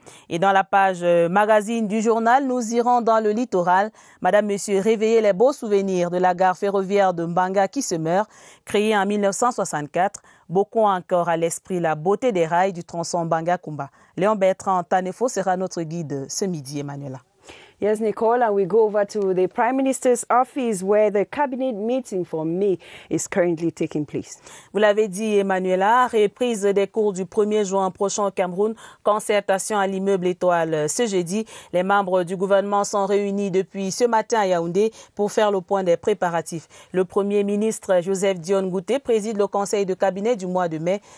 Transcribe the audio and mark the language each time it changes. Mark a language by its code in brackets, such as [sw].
[fr] Et dans la page magazine du journal, nous irons dans le littoral. Madame, Monsieur, réveillez les beaux souvenirs de la gare ferroviaire de Mbanga qui se meurt, créée en 1964. Beaucoup ont encore à l'esprit la beauté des rails du tronçon Mbanga-Kumba. Léon Bertrand Tanefo sera notre guide ce midi, Emmanuela. [en] Yes, Nicole, and we go over to the Prime Minister's office where the cabinet meeting for May is currently taking place. [fr] Vous l'avez dit, Emmanuela, reprise des cours du 1er juin prochain au Cameroun, concertation à l'immeuble étoile ce jeudi. Les membres du gouvernement sont réunis depuis ce matin à Yaoundé pour faire le point des préparatifs. Le Premier ministre Joseph Dion Gouté préside le conseil de cabinet du mois de mai.